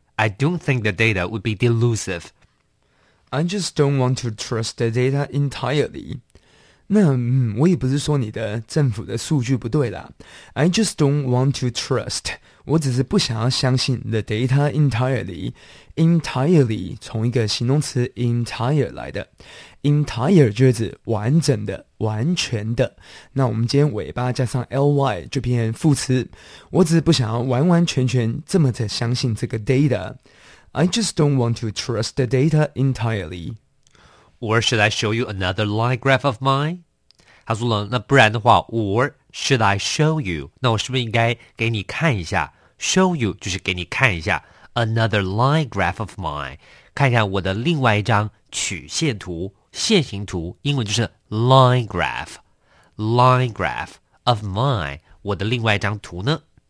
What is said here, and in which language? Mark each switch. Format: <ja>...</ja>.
<en>I don't think the data would be delusive. I just don't want to trust the data entirely.</en> <zh>那我也不是说你的政府的数据不对啦。</zh> <en>I just don't want to trust.</en> <zh>我只是不想要相信</zh> <en>the data entirely.</en> <zh>Entirely 从一个形容词 entire 来的。 Entire 就是完整的、完全的。那我们今天尾巴加上 ly 就变成副词。我只是不想要完完全全这么的相信这个 data.</zh> <en>I just don't want to trust the data entirely. Or should I show you another line graph of mine?</en> <zh>他说了，那不然的话 ，</zh> <en>Or should I show you?</en> <zh>那我是不是应该给你看一下 ？</zh> <en>Show you</en> <zh>就是给你看一下</zh> <en>another line graph of mine，</en> <zh>看一下我的另外一张曲线图、线形图，英文就是 line graph，</zh> <en>line graph of mine，</en> <zh>我的另外一张图呢？</zh>